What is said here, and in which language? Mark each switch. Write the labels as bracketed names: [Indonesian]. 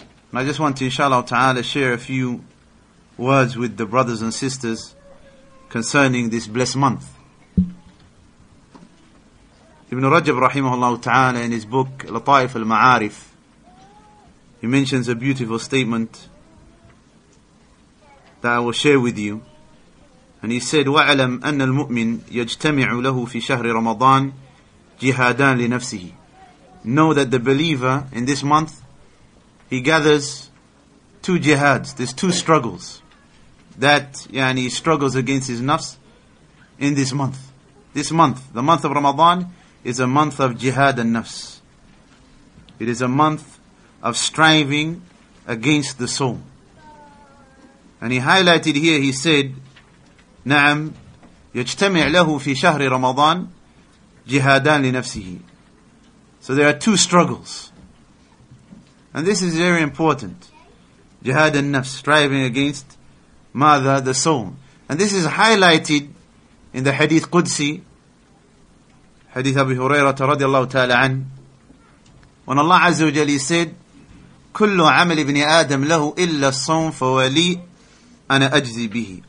[English] And I just want to, inshallah ta'ala, share a few words with the brothers and sisters concerning this blessed month. Ibn Rajab rahimahullah ta'ala, in his book Lataif al-Ma'arif, he mentions a beautiful statement that I will share with you. And he said, [Arabic] وَعَلَمْ أَنَّ الْمُؤْمِنِ يَجْتَمِعُ لَهُ فِي شَهْرِ رَمَضَانِ جِهَادًا لِنَفْسِهِ. [English] Know that the believer in this month, he gathers two jihads, there's two struggles. That, yani, he struggles against his nafs in this month. This month, the month of Ramadan, is a month of jihad and nafs. It is a month of striving against the soul. And he highlighted here, he said, [Arabic] نعم يجتمع له في شهر رمضان جهادان لنفسه. [English] So there are two struggles. And this is very important. Jihad and nafs, striving against [Arabic] ماذا, [English] the soul. And this is highlighted in the Hadith Qudsi, Hadith Abi Hurairah radiallahu ta'ala an, when Allah Azza wa Jalla said, [Arabic] كُلُّ عَمَلِ ابْنِ آدَمْ لَهُ إِلَّا الصَّوْمْ فَوَلِي أَنَا أَجْزِي بِهِ.